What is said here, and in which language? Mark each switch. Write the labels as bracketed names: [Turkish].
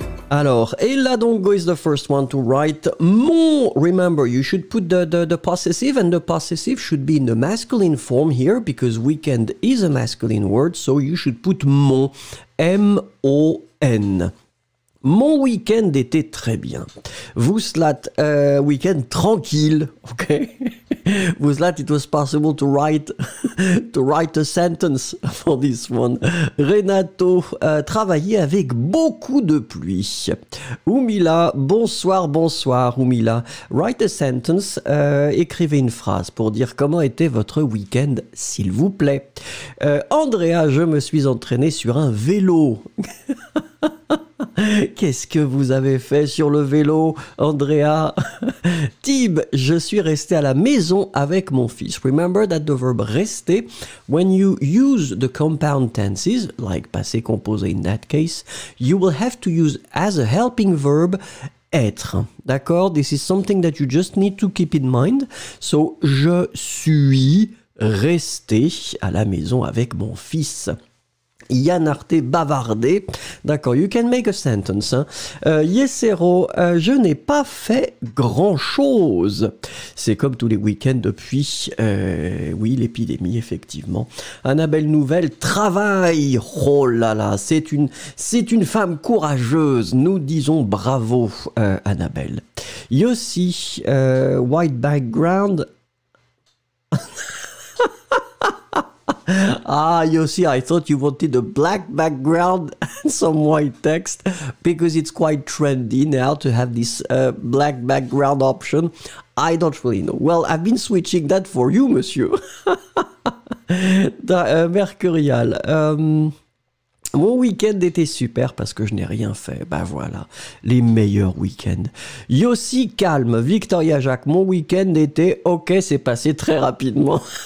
[English] Alors, Ella Dongo is the first one to write mon. Remember, you should put the possessive, and the possessive should be in the masculine form here because weekend is a masculine word, so you should put mon, M-O-N. [French] Mon week-end était très bien. Vous lat, week-end tranquille, okay? [English] Vous lat, it was possible to write a sentence for this one. [French] Renato travaillait avec beaucoup de pluie. Oumila, bonsoir, bonsoir, Oumila. [English] Write a sentence, [French] écrivez une phrase pour dire comment était votre week-end, s'il vous plaît. Andrea, je me suis entraîné sur un vélo. Qu'est-ce que vous avez fait sur le vélo, Andrea? Tib, je suis resté à la maison avec mon fils. [English] Remember that the verb rester, when you use the compound tenses, like passé composé in that case, you will have to use as a helping verb être. D'accord? This is something that you just need to keep in mind. [French] So, je suis resté à la maison avec mon fils. Yann Arte bavardé. [English] D'accord, you can make a sentence. Hein. [French] Yesero, je n'ai pas fait grand-chose. C'est comme tous les week-ends depuis, oui, l'épidémie, effectivement. Annabelle Nouvelle travaille. Oh là là, c'est une femme courageuse. Nous disons bravo, Annabelle. [English] Yossi, white background. Ah, Yossi, I thought you wanted a black background and some white text because it's quite trendy now to have this black background option. I don't really know. Well, I've been switching that for you, monsieur. Mercurial. [French] Mon week-end était super parce que je n'ai rien fait. Ben voilà, les meilleurs week-ends. Yossi, calme. Victoria Jacques, mon week-end était OK, c'est passé très rapidement.